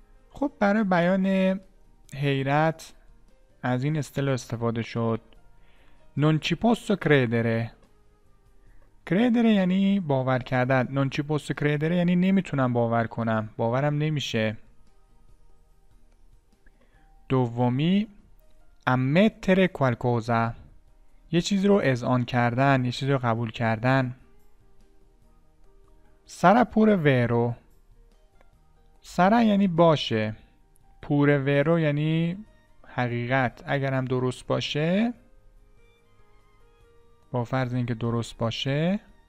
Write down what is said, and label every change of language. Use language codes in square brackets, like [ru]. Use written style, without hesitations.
[fa] خب برای بیان حیرت از این اصطلاح استفاده شد. [it] Non ci posso credere. Credere [fa] یعنی باور کردن. [it] Non ci posso credere [fa] یعنی نمیتونم باور کنم. باورم نمیشه. دومی [it] ammettere qualcosa. [fa] یه چیز رو اذعان کردن، یه چیز رو قبول کردن. [it] Sarà pure vero. Sarà [fa] یعنی باشه. [it] Pure vero [fa] یعنی حقیقت. اگرم درست باشه، با فرض اینکه درست باشه.